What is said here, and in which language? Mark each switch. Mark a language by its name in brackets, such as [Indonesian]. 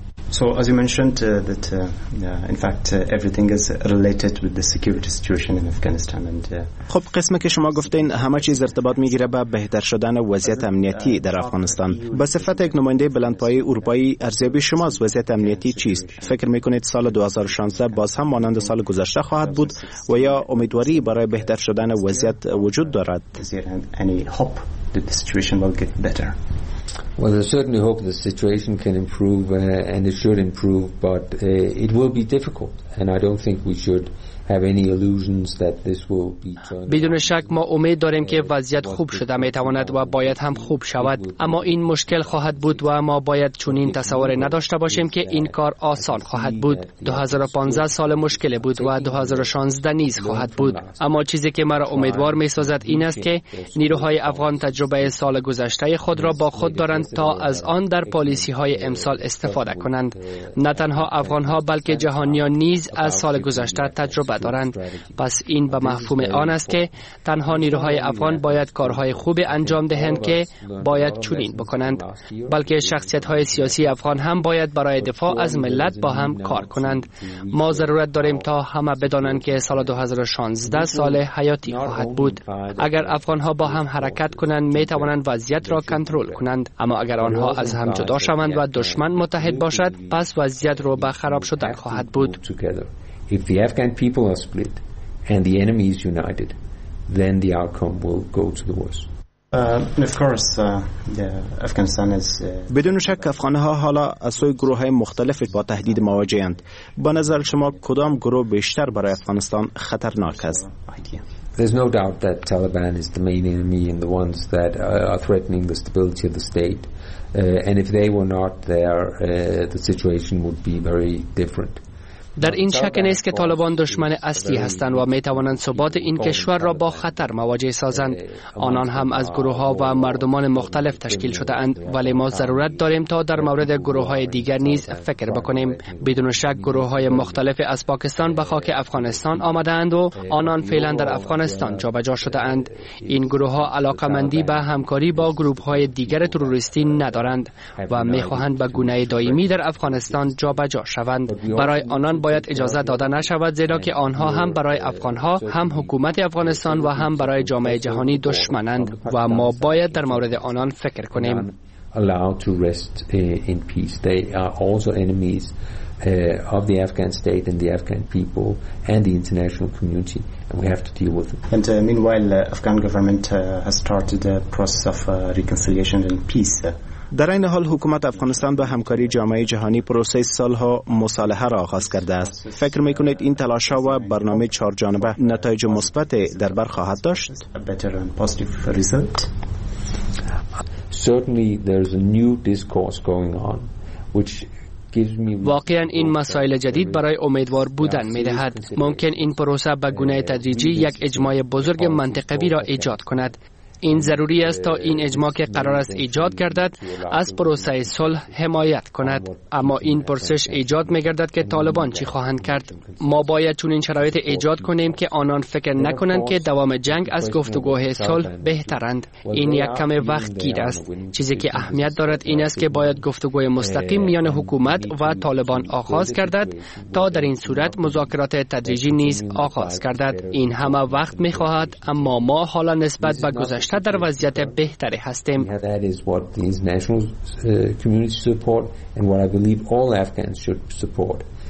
[English] So as you mentioned everything is related with the security situation in Afghanistan and [Persian] خب قسمی که شما گفتین همه چیز ارتباط میگیره به بهتر شدن وضعیت امنیتی در افغانستان. به صفت یک نماینده بلندپایه اروپایی ارزیابی شما از وضعیت امنیتی چیست؟ فکر میکنید سال 2016 باز هم مانند سال گذشته خواهد بود و یا امیدواری برای بهتر شدن وضعیت وجود دارد؟ [English] Any hope that the situation will get better? Well, there's certainly hope the situation can improve and it should improve, but it will be difficult and I don't think we should have any illusions that this will be turned. [Persian] بدون شک ما امید داریم که وضعیت خوب شده میتواند و باید هم خوب شود، اما این مشکل خواهد بود و ما باید چنین تصور نداشته باشیم که این کار آسان خواهد بود. 2015 سال مشکل بود و 2016 نیز خواهد بود، اما چیزی که مرا امیدوار میسازد این است که نیروهای افغان تجربه سال گذشته خود را با خود دارند تا از آن در پالیسی های امسال استفاده کنند. نه تنها افغان ها بلکه جهانیان نیز از سال گذشته تجربه بدارند. پس این به مفهوم آن است که تنها نیروهای افغان باید کارهای خوب انجام دهند که باید چنین بکنند، بلکه شخصیت‌های سیاسی افغان هم باید برای دفاع از ملت با هم کار کنند. ما ضرورت داریم تا همه بدانند که سال 2016 سال حیاتی خواهد بود. اگر افغان‌ها با هم حرکت کنند می توانند وضعیت را کنترل کنند، اما اگر آنها از هم جدا شوند و دشمن متحد باشد، پس وضعیت رو به خراب شدن خواهد بود. [English] If the Afghan people are split and the enemy is united, then the outcome will go to the worse. [Persian] بدون شک افغانها حالا از سوی گروه های مختلف با تهدید مواجهند. با نظر شما کدام گروه بیشتر برای افغانستان خطرناک است؟ [English] There's no doubt that Taliban is the main enemy and the ones that are threatening the stability of the state. And if they were not there, the situation would be very different. [Persian] در این شک نیست که طالبان دشمن اصلی هستند و می توانند ثبات این کشور را با خطر مواجه سازند. آنان هم از گروه ها و مردمان مختلف تشکیل شده اند، ولی ما ضرورت داریم تا در مورد گروه های دیگر نیز فکر بکنیم. بدون شک گروه های مختلف از پاکستان به خاک افغانستان آمده اند و آنان فعلا در افغانستان جابجا شده اند. این گروه ها علاقه مندی به همکاری با گروه های دیگر تروریستی ندارند و می خواهند به گونه دائمی در افغانستان جابجا شوند. برای آنان باید اجازه داده نشود، زیرا که آنها هم برای افغانها، هم حکومت افغانستان و هم برای جامعه جهانی دشمنند و ما باید در مورد آنان فکر کنیم. [English] Allow to rest in peace. They are also enemies of the Afghan state and the Afghan people and the international community, and we have to deal with them. And meanwhile, the Afghan government has started a process of reconciliation and peace. [Persian] در این حال حکومت افغانستان با همکاری جامعه جهانی پروسه صلح و مصالحه را آغاز کرده است. فکر میکنید این تلاش‌ها و برنامه چهار جانبه نتایج مثبت در بر خواهد داشت؟ [English] Certainly there is a new discourse going on which [Persian] واقعا این مسائل جدید برای امیدوار بودن می دهد. ممکن این پروسه به گونه تدریجی یک اجماع بزرگ منطقوی را ایجاد کند. این ضروری است تا این اجماع که قرار است ایجاد گردد از پروسه صلح حمایت کند. اما این پرسش ایجاد می‌گردد که طالبان چی خواهند کرد. ما باید چنین شرایط ایجاد کنیم که آنان فکر نکنند که دوام جنگ از گفتگوهای صلح بهترند. این یک کم وقت گیر است. چیزی که اهمیت دارد این است که باید گفتگوی مستقیم میان حکومت و طالبان آغاز گردد تا در این صورت مذاکرات تدریجی نیز آغاز گردد. این همه وقت می‌خواهد، اما ما حالا نسبت به گذشته در وضعیت بهتری هستیم. [English] That is what the international community support and what I believe all Afghans should support.